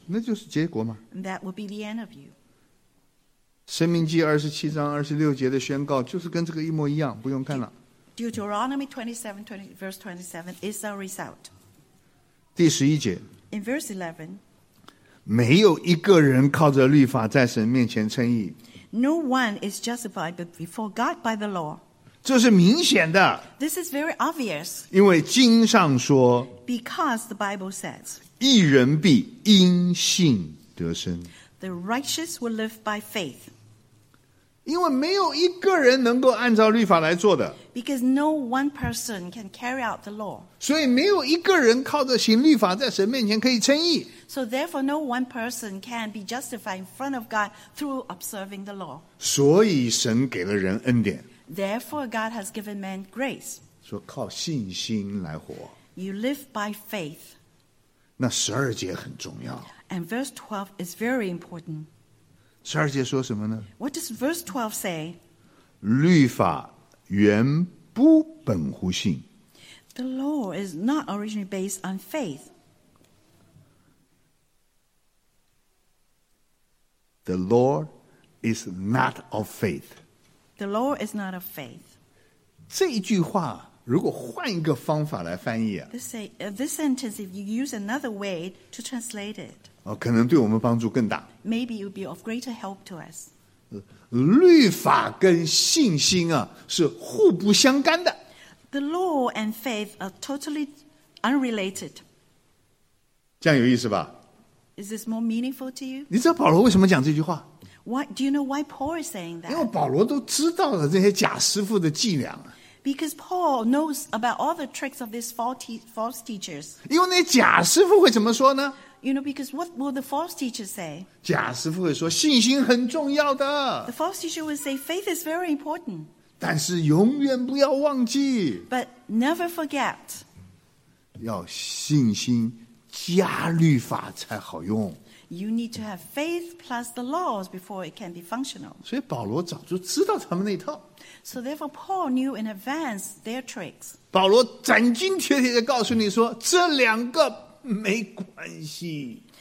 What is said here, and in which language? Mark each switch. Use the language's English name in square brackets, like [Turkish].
[Chinese] 那就是结果嘛。 [English] That will be the end of you. [Chinese] 申命记二十七章二十六节的宣告就是跟这个一模一样，不用看了。 [English] Deuteronomy 27:27 is a result. [Chinese] 第十一节。 [English] In verse 11, [Chinese] 没有一个人靠着律法在神面前称义。 [English] No one is justified before God by the law. [Chinese] 这是明显的。 [English] This is very obvious. [Chinese] 因为经上说。 [English] Because the Bible says. [Chinese] 义人必因信得生。 [English] The righteous will live by faith. [Chinese] 因为没有一个人能够按照律法来做的。 [English] Because no one person can carry out the law. [Chinese] 所以没有一个人靠着行律法在神面前可以称义。 [English] So therefore no one person can be justified in front of God through observing the law. [Chinese] 所以神给了人恩典。 [English] Therefore God has given man grace. [Chinese] 说靠信心来活。 [English] You live by faith. [Chinese] 那十二节很重要。 [English] And verse 12 is very important. [Chinese] 十二节说什么呢？ [English] What does verse 12 say? [Chinese] 律法原不本乎信。 [English] The law is not originally based on faith. The law is not of faith. The law is not of faith. [Chinese] 这一句话如果换一个方法来翻译啊。 [English] This sentence, if you use another way to translate it, [Chinese] 可能对我们帮助更大。 [English] Maybe it would be of greater help to us. [Chinese] 律法跟信心啊是互不相干的。 [English] The law and faith are totally unrelated. [Chinese] 这样有意思吧？ [English] Is this more meaningful to you? [Chinese] 你知道保罗为什么讲这句话？ [English] Why, do you know why Paul is saying that? [Chinese] 因为保罗都知道了这些假师傅的伎俩。 [English] Because Paul knows about all the tricks of these false teachers. [Chinese] 因为那些假师傅会怎么说呢？ [English] You know, because what will the false teachers say? [Chinese] 假师傅会说信心很重要的。 [English] The false teacher will say faith is very important. [Chinese] 但是永远不要忘记。 [English] But never forget. [Chinese] 要信心加律法才好用。 [English] You need to have faith plus the laws before it can be functional. [Chinese] 所以保罗早就知道他们那套。 [English] So therefore Paul knew in advance their tricks. [Chinese] 保罗斩钉截铁地告诉你说这两个没关系。